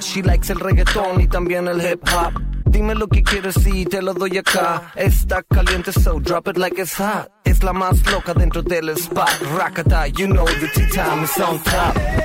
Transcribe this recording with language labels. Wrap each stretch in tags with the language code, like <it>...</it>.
<en>She likes</en> <es>el reggaeton y también el hip hop. Dime lo que quieres si te lo doy acá. Está caliente,</es> <en>so drop it like it's hot.</en> <es>Es la más loca dentro del spot.</es> <en>Rakata, you know the tea time is on top.</en>